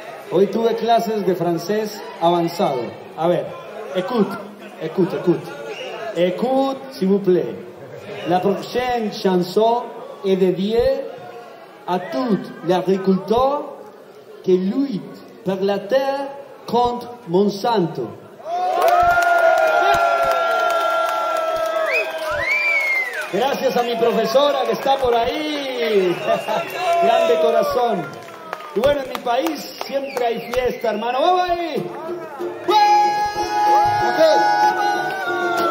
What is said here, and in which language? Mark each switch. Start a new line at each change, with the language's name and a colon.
Spanish: Hoy tuve clases de francés avanzado. A ver,
French: écoute, s'il vous plaît. La prochaine chanson est dédiée à tout l'agriculteur qui lutte pour la terre contre Monsanto.
Spanish: Gracias a mi profesora que está por ahí. Grande corazón. Y bueno, en mi país siempre hay fiesta, hermano. ¡Vamos ahí! ¡Vamos!